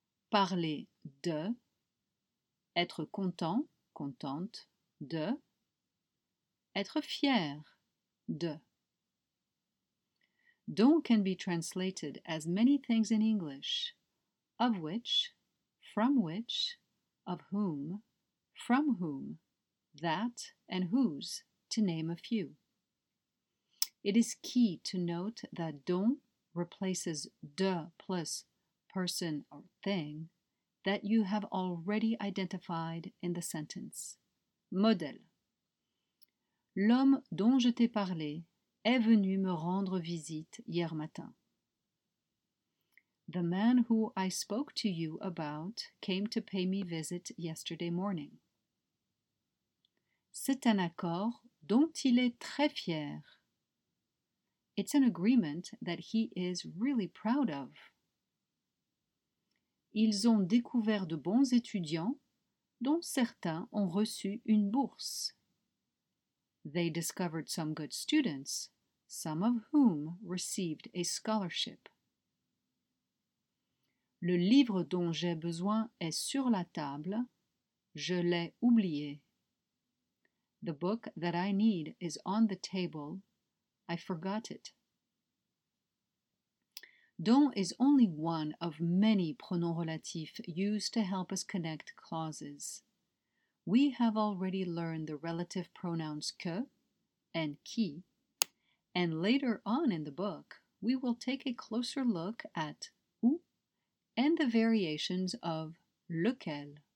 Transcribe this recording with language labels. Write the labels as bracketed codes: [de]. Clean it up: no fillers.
[fr] Parler de, être content, contente, de, être fier, de. [en] Dont can be translated as many things in English, of which, from which, of whom, from whom, that, and whose, to name a few. It is key to note that dont replaces de plus person or thing that you have already identified in the sentence. [fr] Modèle. L'homme dont je t'ai parlé est venu me rendre visite hier matin. [en] The man who I spoke to you about came to pay me visit yesterday morning. [fr] C'est un accord dont il est très fier. [en] It's an agreement that he is really proud of. [fr] Ils ont découvert de bons étudiants, dont certains ont reçu une bourse. [en] They discovered some good students, some of whom received a scholarship. [fr] Le livre dont j'ai besoin est sur la table. Je l'ai oublié. [en] The book that I need is on the table. I forgot it. Dont is only one of many pronoms relatifs used to help us connect clauses. We have already learned the relative pronouns que and qui, and later on in the book, we will take a closer look at où and the variations of lequel.